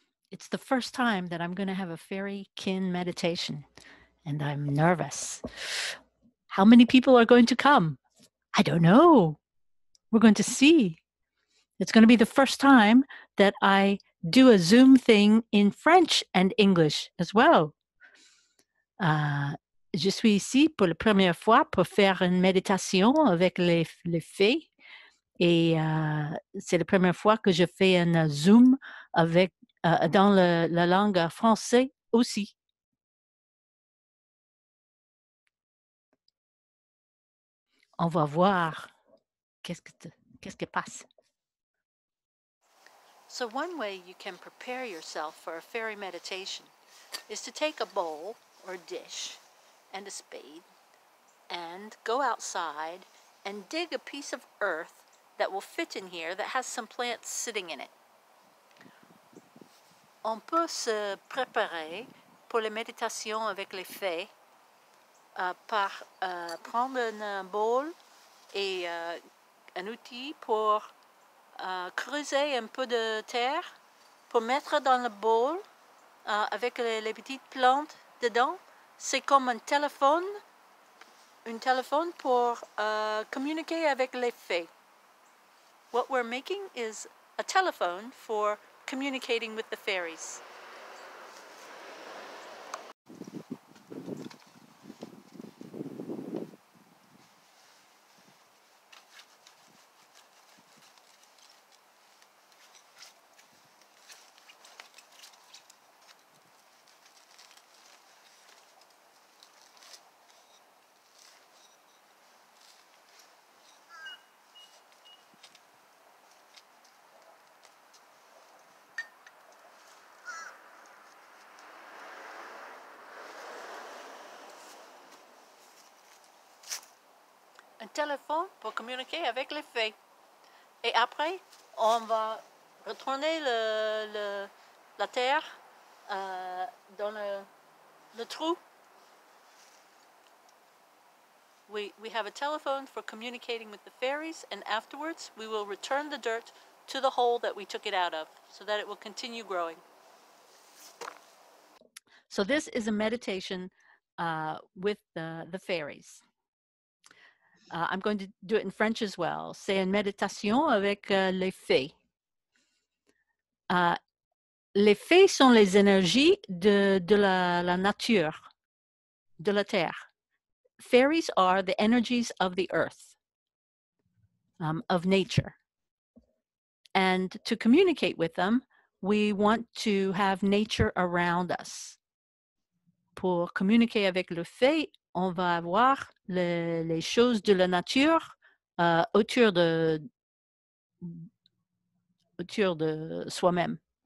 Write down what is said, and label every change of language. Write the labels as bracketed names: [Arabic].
[English] It's the first time that I'm going to have a fairy kin meditation, and I'm nervous. How many people are going to come? I don't know. We're going to see. It's going to be the first time that I do a Zoom thing in French and English as well. [French] Je suis ici pour la première fois pour faire une méditation avec les fées. Et c'est la première fois que je fais un Zoom avec dans la langue française aussi. On va voir qu'est-ce qui passe. [English] So one way you can prepare yourself for a fairy meditation is to take a bowl or a dish and a spade and go outside and dig a piece of earth that will fit in here that has some plants sitting in it. [French] On peut se préparer pour la méditation avec les fées par prendre un bowl et un outil pour creuser un peu de terre pour mettre dans le bowl avec les petites plantes dedans. C'est comme un téléphone pour communiquer avec les fées. [English] What we're making is a telephone for communicating with the fairies. [French] Un téléphone pour communiquer avec les fées. Et après, on va retourner la terre dans le trou. [English] We have a telephone for communicating with the fairies, and afterwards we will return the dirt to the hole that we took it out of so that it will continue growing. So this is a meditation with the fairies. I'm going to do it in French as well. [French] C'est une méditation avec les fées. Les fées sont les énergies de la nature, de la terre. [English] Fairies are the energies of the earth, of nature. And to communicate with them, we want to have nature around us. [French] Pour communiquer avec les fées, on va avoir les choses de la nature autour de soi-même.